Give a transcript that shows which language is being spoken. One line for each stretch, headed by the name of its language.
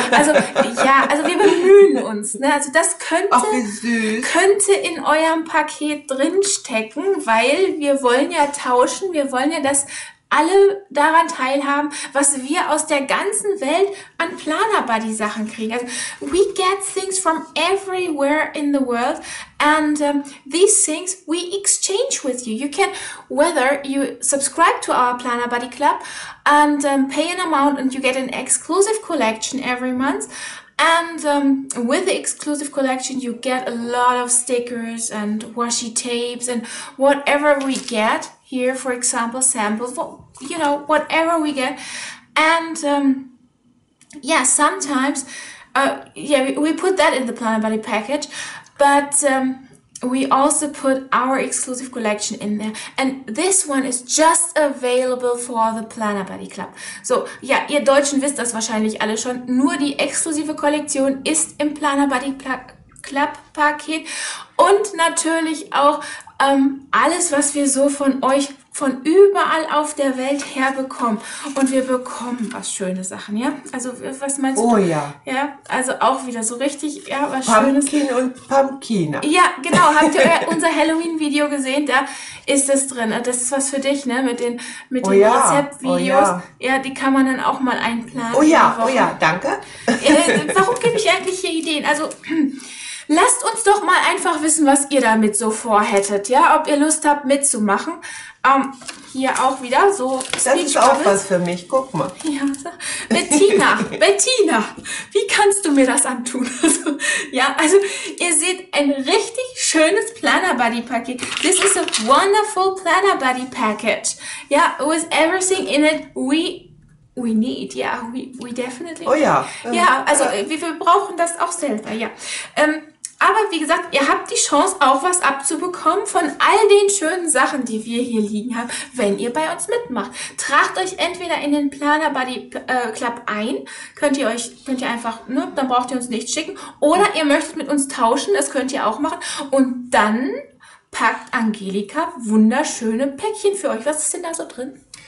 German: Also ja, also wir bemühen uns. Ne? Also das könnte in eurem Paket drinstecken, weil wir wollen ja tauschen. Wir wollen ja, dass alle daran teilhaben, was wir aus der ganzen Welt an Planer Buddy Sachen kriegen.
English: Also, we get things from everywhere in the world. And these things we exchange with you. You can, whether you subscribe to our Planner Buddy Club and pay an amount and you get an exclusive collection every month. And with the exclusive collection, you get a lot of stickers and washi tapes and whatever we get here, for example, samples, you know, whatever we get. And yeah, sometimes, yeah, we put that in the Planner Buddy package. But We also put our exclusive collection in there. And this one is just available for the Planner Buddy Club.
German: So, ja, ihr Deutschen wisst das wahrscheinlich alle schon. Nur die exklusive Kollektion ist im Planner Buddy Club Paket. Und natürlich auch alles, was wir so von euch von überall auf der Welt her bekommen. Und wir bekommen was schöne Sachen, ja? Also, was meinst du? Oh ja. Ja, also auch wieder so richtig, ja, was
English: Pumpkin
German: schönes. Und Pumpkina. Ja, genau. Habt ihr unser Halloween-Video gesehen? Da ist es drin. Das ist was für dich, ne? Mit den Rezept-Videos. Oh, ja. Ja, die kann man dann auch mal einplanen. Oh ja, oh ja, danke. Warum gebe ich eigentlich hier Ideen? Also, lasst uns doch mal einfach wissen, was ihr damit so vorhättet, ja? Ob ihr Lust habt, mitzumachen. Hier auch wieder so. Das ist auch was für mich, guck mal. Ja, Bettina, Bettina, wie kannst du mir das antun? Also, ja, also ihr seht ein richtig schönes Planner Buddy Paket.
English: This is a wonderful Planner Buddy Package. Ja, yeah, with everything in it we need. Ja, yeah, we definitely.
German: Oh ja. Ja, also wir brauchen das auch selber, ja. Aber wie gesagt, ihr habt die Chance, auch was abzubekommen von all den schönen Sachen, die wir hier liegen haben, wenn ihr bei uns mitmacht. Tragt euch entweder in den Planner Buddy Club ein, könnt ihr einfach, ne, dann braucht ihr uns nichts schicken, oder ihr möchtet mit uns tauschen, das könnt ihr auch machen, und dann packt Angelika wunderschöne Päckchen für euch. Was ist denn da so drin?